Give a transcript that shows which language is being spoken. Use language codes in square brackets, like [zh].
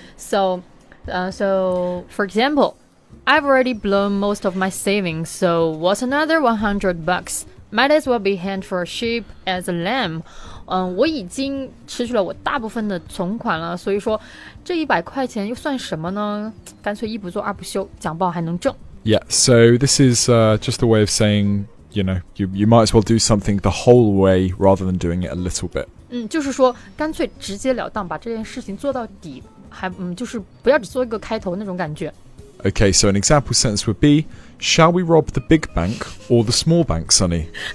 [en] So for example, I've already blown most of my savings, so what's another $100? Might as well be hand for a sheep as a lamb. [zh] 我已经失去了我大部分的存款了，所以说这一百块钱又算什么呢？干脆一不做二不休，讲不好还能挣。 [en] Yeah, so this is just a way of saying, you know, you might as well do something the whole way rather than doing it a little bit. [zh] 就是说干脆直截了当把这件事情做到底，就是不要只做一个开头那种感觉。 [en] Okay, so an example sentence would be, shall we rob the big bank or the small bank, Sonny?